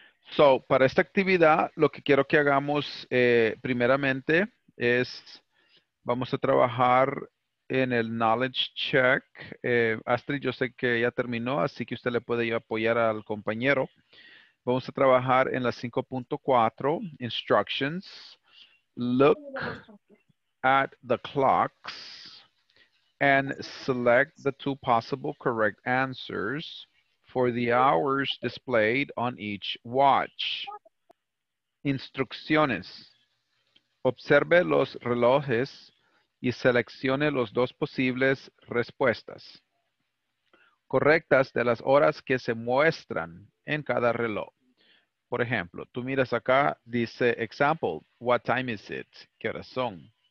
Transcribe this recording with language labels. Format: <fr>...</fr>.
<es>So, para esta actividad, lo que quiero que hagamos primeramente es, vamos a trabajar en el knowledge check. Astrid, yo sé que ya terminó, así que usted le puede apoyar al compañero. Vamos a trabajar en la 5.4, instructions.</es> <en>Look at the clocks and select the two possible correct answers for the hours displayed on each watch.</en> <es>Instrucciones. Observe los relojes y seleccione los dos posibles respuestas correctas de las horas que se muestran en cada reloj. Por ejemplo, tú miras acá, dice,</es> <en>example, what time is it?</en> <es>¿Qué horas son?</es>